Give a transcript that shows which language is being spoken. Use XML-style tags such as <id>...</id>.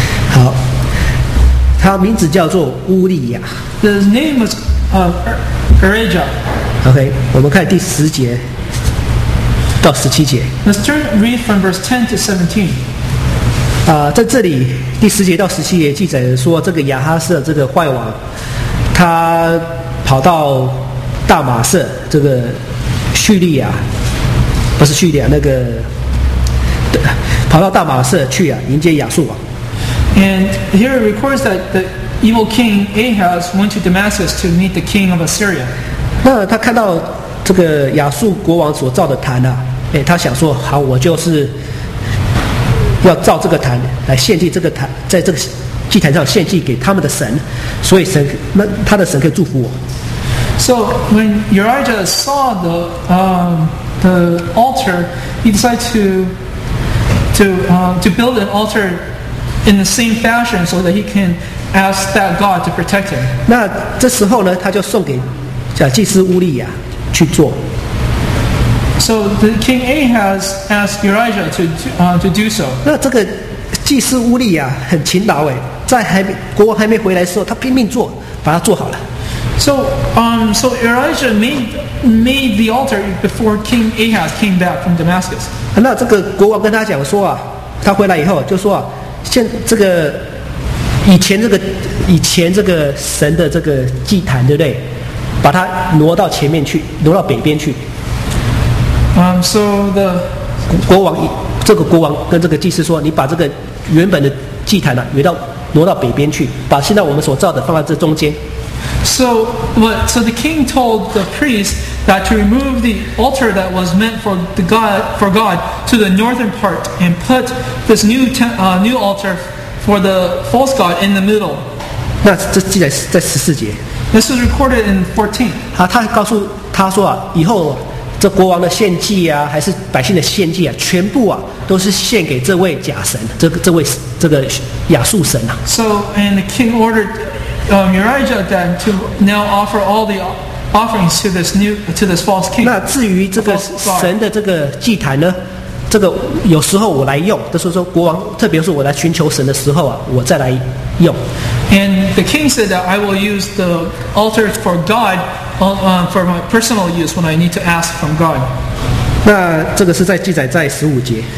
<zh>好，他名字叫做乌利亚。</zh> <en>His name was Urijah.</en> <zh>OK， 我们看第十节到十七节。</zh> <en>Let's turn read from verse 10 to 17.</en> <zh>在这里第十节到十七节记载说，这个亚哈斯这个坏王，他跑到大马色这个叙利亚，不是叙利亚，那个跑到大马色去啊，迎接亚述王。</zh> <en>And here it records that the evil king Ahaz went to Damascus to meet the king of Assyria.</en> <zh>那他看到这个亚述国王所造的坛啊，哎，他想说，好，我就是要造这个坛来献祭这个坛，在这个祭坛上献祭给他们的神，所以神那他的神可以祝福我。</zh> <en>So when Urijah saw the altar, he decided to build an altar in the same fashion so that he can ask that God to protect him.</en> <zh>那这时候呢，他就送给祭司乌利亚去做。</zh> <en>So the king Ahaz asked Urijah to do so.</en> <zh>那这个祭司乌利亚很勤劳哎，在还没国王还没回来的时候，他拼命做，把它做好了。</zh> <en>So Urijah made the altar before King Ahaz came back from Damascus.</en> <zh>那这个国王跟他讲说啊，他回来以后就说啊，现这个以前这个神的这个祭坛，对不对？把它挪到前面去，挪到北边去。</zh> <en>So the</en> <zh>国王这个国王跟这个祭司说，你把这个原本的祭坛呢、啊，挪到北边去，把现在我们所造的放在这中间。</zh> <en>So the king told the priest that to remove the altar that was meant for the God for God to the northern part and put this new altar for the false god in the middle.</en> <zh>那这记载在十四节。</zh> <en>This is recorded in 14.</en> <zh>好，他告诉他说啊，以后这国王的献祭啊，还是百姓的献祭啊，全部啊都是献给这位假神，这位亚述神啊。</zh> <en>So and the king ordered. Urijah then to now offer all the offerings to this new to this false king.</en> <zh>那至于这个神的这个祭坛呢，这个有时候我来用，就是说国王，特别是我来寻求神的时候啊，我再来用。</zh> <en>And the king said that I will use the altar for God, for my personal use when I need to ask from God.</en> <zh>那这个是在记载在十五节。</zh>